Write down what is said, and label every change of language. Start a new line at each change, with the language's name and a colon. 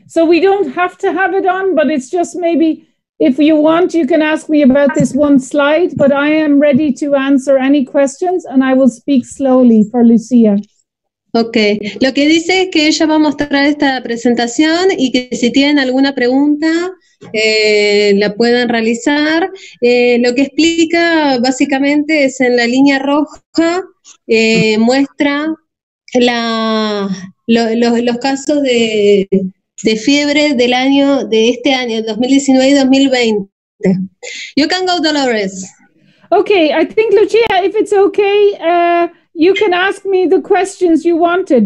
English: So we don't have to have it on, but it's just maybe if you want, you can ask me about this one slide, but I am ready to answer any questions and I will speak slowly for Lucia. Okay.
Spanish: Lo que dice es que ella va a mostrar esta presentación y que si tienen alguna pregunta, la puedan realizar. Lo que explica básicamente es en la línea roja, muestra los casos de fiebre del año, de este año, 2019-2020.
English: You can go, Dolores. Okay, I think, Lucia, if it's okay, you can ask me the questions you wanted.